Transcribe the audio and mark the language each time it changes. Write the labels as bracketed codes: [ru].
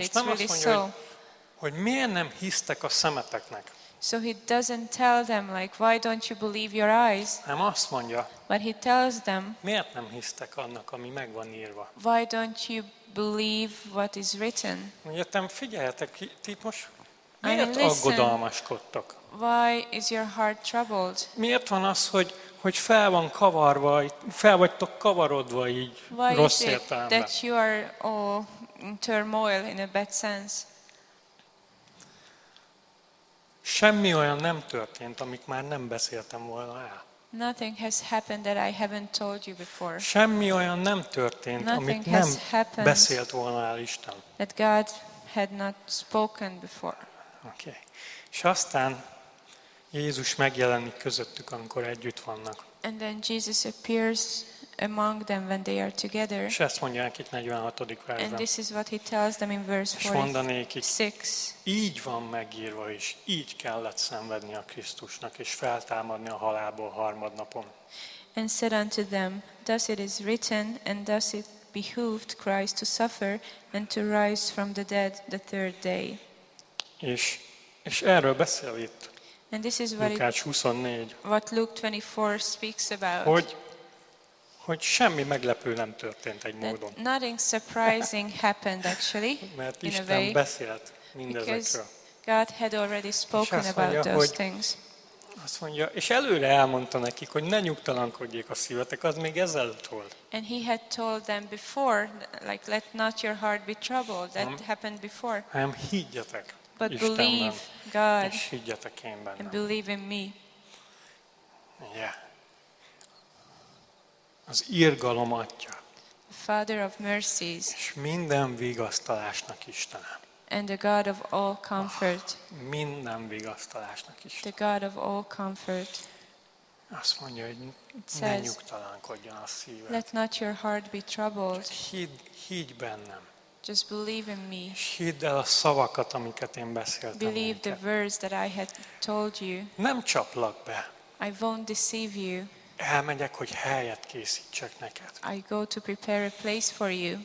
[hu] és [en] it's really [hu] mondja, [en] so. [hu] Hogy miért nem hisztek a szemeteknek? [en] So he doesn't tell them, like, why don't you believe your eyes? [hu] Nem azt mondja. [en] But he tells them. [hu] Miért nem hisztek annak, ami meg van írva? [en] Why don't you believe what is written? [hu] Mondjátok, figyeljetek, ti most miért aggodalmaskodtok? [en] Why is your heart troubled? [hu] Miért van az, hogy hogy fel van kavarva, fel vagytok kavarodva így [en] Why [hu] rossz értelemben. [en] That you are all in turmoil in a bad sense. [hu] Semmi olyan nem történt, amit már nem beszéltem volna el. Nothing has happened that I haven't told you before. Semmi olyan nem történt, amit nem beszélt volna el Isten. [en] That God had not spoken before. Okay. [hu] És aztán Jézus megjelenik közöttük, amikor együtt vannak. [en] And then Jesus appears among them when they are together. [hu] És ezt mondja nekik 46. versben. [en] And this is what he tells them in verse 46. [hu] És mondja nekik, így van megírva is, így kellett szenvedni a Krisztusnak és feltámadni a halálból harmadnapon. [en] And said unto them, thus it is written, and thus it behooved Christ to suffer and to rise from the dead the third day. [hu] És erről beszél itt. [en] And this is what [hu] Lukács 24. [en] What Luke 24 speaks about. [hu] Hogy semmi meglepő nem történt egy módon. [en] That nothing surprising happened actually. [hu] Mert Isten beszélt mindezekről. [en] Because God had already spoken [hu] mondja, [en] about those [hu] hogy, [en] things. [hu] Azt mondja, és előre elmondta nekik, hogy ne nyugtalankodjék a szívetek, az még ezelőtt volt. [en] And he had told them before, like let not your heart be troubled. That happened before. [hu] Hanem higgyetek. [en] But [hu] Istenben, [en] believe God [hu] és higgyetek én bennem. [en] And believe in me. Yeah. [hu] Az irgalom atya. [en] The Father of mercies. [hu] És minden vigasztalásnak Istene. [en] And the God of all comfort. [hu] Minden vigasztalásnak Istene. [en] The God of all comfort. [hu] Azt mondja, hogy ne nyugtalankodjon a szíved. [en] Let not your heart be troubled. [hu] Higgy bennem. [en] Just believe in me. [hu] És hidd el a szavakat, amiket én beszéltem. [en] Believe the words that I had told you. [hu] Nem csaplak be. [en] I won't deceive you. [hu] Elmegyek, hogy helyet készítsek neked. [en] I go to prepare a place for you.